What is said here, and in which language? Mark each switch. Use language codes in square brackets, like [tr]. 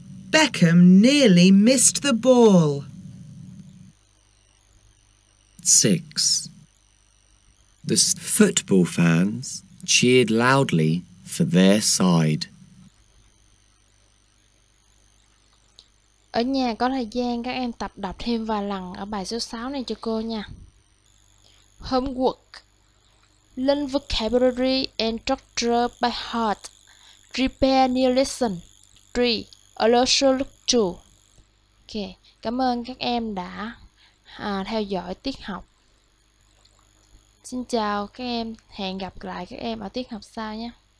[en] Beckham nearly missed the ball. 6. The football fans cheered loudly for their side. [vi] Ở nhà có thời gian các em tập đọc thêm vài lần ở bài số 6 này cho cô nha. [en] Homework. Learn vocabulary and structure by heart. Prepare new lesson. 3. A lesson look to. [vi] Ok, cảm ơn các em đã theo dõi tiết học. Xin chào các em, hẹn gặp lại các em ở tiết học sau nhé.